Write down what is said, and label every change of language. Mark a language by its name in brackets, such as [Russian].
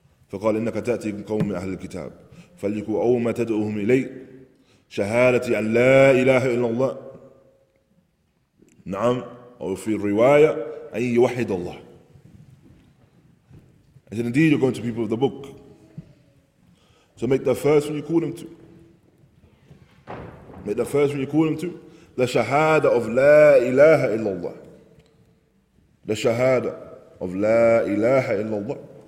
[Arabic] فقال إنك تأتي قوم من أهل الكتاب فليكوا أول ما تدعوهم إلي شهادة أن لا إله إلا الله نعم أو في الرواية أن يوحد الله. [English] He said, indeed you're going to people of the book. So make the first one you call them to. Make the first one you call them to. The shahada of [Arabic] لا إله إلا الله. The shahada of لا إله إلا الله.